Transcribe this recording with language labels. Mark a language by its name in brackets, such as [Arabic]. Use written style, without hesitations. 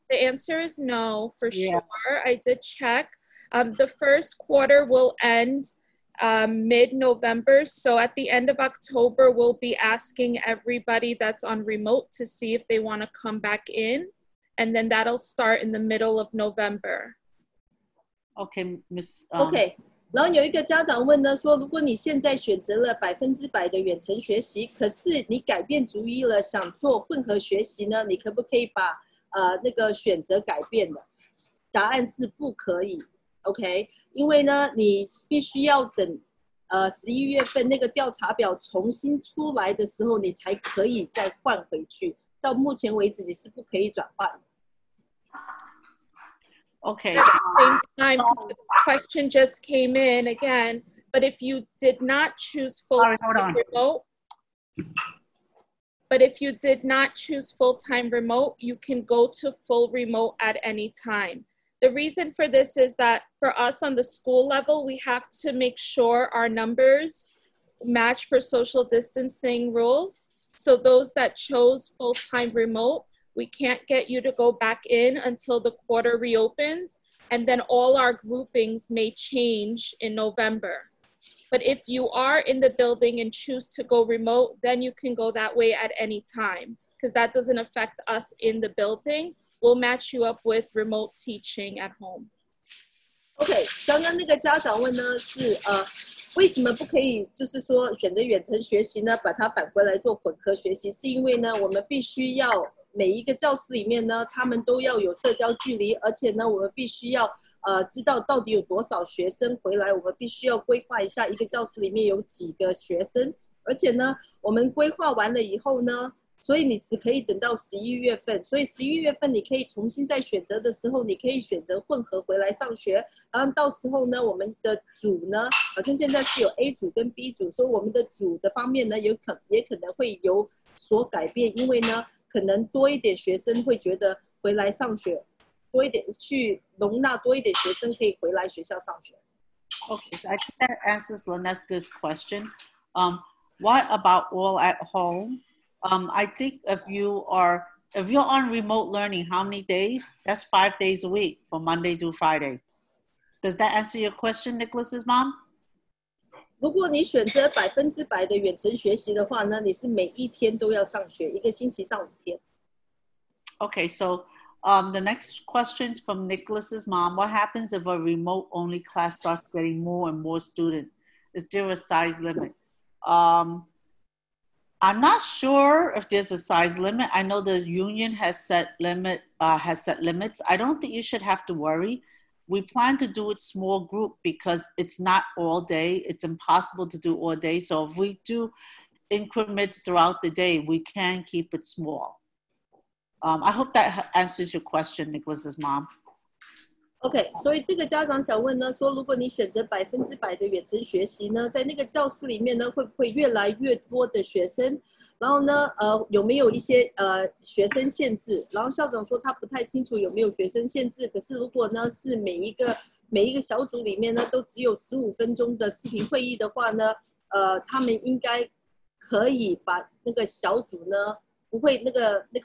[English] The answer is no, for sure. I did check. The first quarter will end mid-November. So at the end of October, we'll be asking everybody that's on remote to see if they want to come back in. And then that'll start in the middle of November. Okay, Miss... Okay. [Chinese] 然后有一个家长问呢，说如果你现在选择了100%的远程学习，可是你改变主意了，想做混合学习呢，你可不可以把那个选择改变的？答案是不可以 ，OK？ 因为呢，你必须要等11月份那个调查表重新出来的时候，你才可以再换回去。到目前为止，你是不可以转换。 [English] Okay. Same time, the question just came in again. But if you did not choose full-time remote, you can go to full remote at any time. The reason for this is that for us on the school level, we have to make sure our numbers match for social distancing rules. So those that chose full-time remote, we can't get you to go back in until the quarter reopens, and then all our groupings may change in November. But if you are in the building and choose to go remote, then you can go that way at any time, because that doesn't affect us in the building. We'll match you up with remote teaching at home. [Chinese] Okay, 刚刚那个家长问呢是为什么不可以就是说选择远程学习呢，把它反过来做混合学习，是因为呢我们必须要每一个教室里面呢，他们都要有社交距离，而且呢，我们必须要知道到底有多少学生回来，我们必须要规划一下一个教室里面有几个学生，而且呢，我们规划完了以后呢，所以你只可以等到11月份，所以11月份你可以重新再选择的时候，你可以选择混合回来上学，然后到时候呢，我们的组呢，好像现在是有 A 组跟 B 组，所以我们的组的方面呢，也可能会有所改变，因为呢。可能多一点学生会觉得回来上学，多一点去容纳多一点学生可以回来学校上学。 [English] Okay, so I think that answers Lanesca's question. What about all at home? I think if you're on remote learning, how many days? That's 5 days a week from Monday to Friday. Does that answer your question, Nicholas's mom? [Chinese] 如果你选择100%的远程学习的话呢，你是每一天都要上学，一个星期上5天。 [English] Okay, so the next question is from Nicholas's mom. What happens if a remote-only class starts getting more and more students? Is there a size limit? I'm not sure if there's a size limit. I know the union has set limits. I don't think you should have to worry. We plan to do it small group because it's not all day. It's impossible to do all day. So if we do increments throughout the day, we can keep it small. I hope that answers your question, Nicholas's mom. [Chinese] OK， 所以这个家长想问呢，说如果你选择百分之百的远程学习呢，在那个教室里面呢，会不会越来越多的学生？然后呢，有没有一些学生限制？然后校长说他不太清楚有没有学生限制，可是如果呢是每一个小组里面呢都只有15分钟的视频会议的话呢，他们应该可以把那个小组呢不会那个。